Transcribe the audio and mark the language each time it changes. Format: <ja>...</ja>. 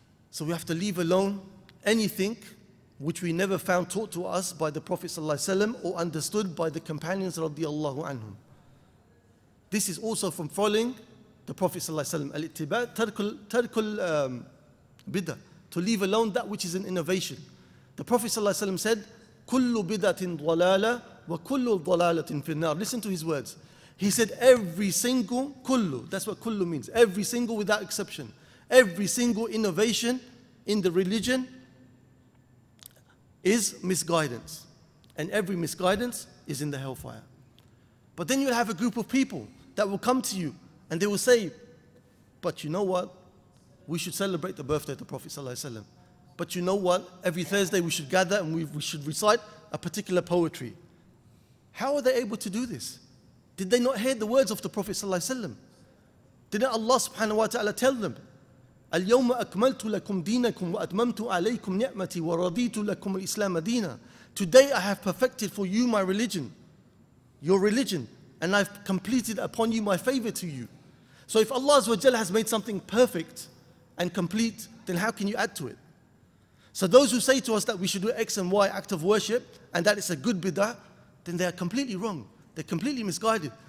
<en>So we have to leave alone anything which we never found taught to us by the Prophet sallallahu alaihi wasallam or understood by the companions radiallahu anhum. This is also from following the Prophet sallallahu alaihi wasallam. Al-ittiba tarkul bidah. To leave alone that which is an innovation.</en> <ar>The Prophet ﷺ said, كُلُّ بِدَةٍ ضَلَالَ وَكُلُّ ضَلَالَةٍ فِي النَّارِ.</ar> <en>Listen to his words. He said, every single, كُلُّ, that's what كُلُّ means. Every single without exception. Every single innovation in the religion is misguidance. And every misguidance is in the hellfire. But then you'll have a group of people that will come to you and they will say, but you know what? We should celebrate the birthday of the Prophet ﷺ. But you know what? Every Thursday we should gather and we should recite a particular poetry. How are they able to do this? Did they not hear the words of the Prophet ﷺ?</en> <ar>Didn't Allah subhanahu wa ta'ala tell them, الْيَوْمَ أَكْمَلْتُ لَكُمْ دِينَكُمْ وَأَتْمَمْتُ عَلَيْكُمْ نِعْمَتِي وَرَضِيتُ لَكُمْ الْإِسْلَامَ دِينَ.</ar> <en>Today I have perfected for you my religion, your religion, and I've completed upon you my favor to you. So if Allah has made something perfect and complete, then how can you add to it? So those who say to us that we should do X and Y act of worship and that it's a good bid'ah, then they are completely wrong. They're completely misguided.</en>